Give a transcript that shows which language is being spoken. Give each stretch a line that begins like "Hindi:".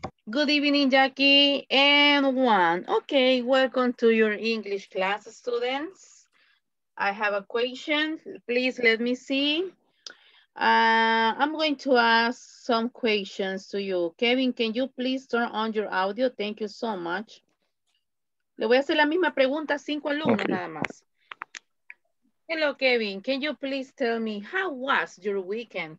English: Good evening, Jackie, and 1. Okay, welcome to your English class, students. I have a question, please let me see. I'm going to ask some questions to you. Kevin, can you please turn on your audio? Thank you so much.
Spanish: Le voy a hacer la misma pregunta a 5 alumnos, okay. Nada más.
English: Hello,
Spanish: Kevin.
English: Can you please tell me, how was your weekend?